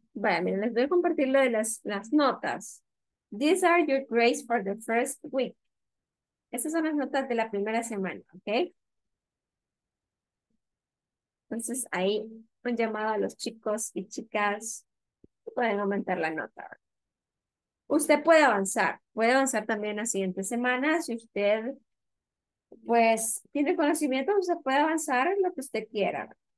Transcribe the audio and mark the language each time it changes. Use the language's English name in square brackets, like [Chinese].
[Spanish] Vaya, miren, les voy a compartir lo de las notas. [English] These are your grades for the first week. [Spanish] Esas son las notas de la primera semana, ¿ok? Entonces, ahí un llamado a los chicos y chicas. Pueden aumentar la nota. Usted puede avanzar. Puede avanzar también la siguiente semana. Si usted, pues, tiene conocimiento, usted puede avanzar en lo que usted quiera.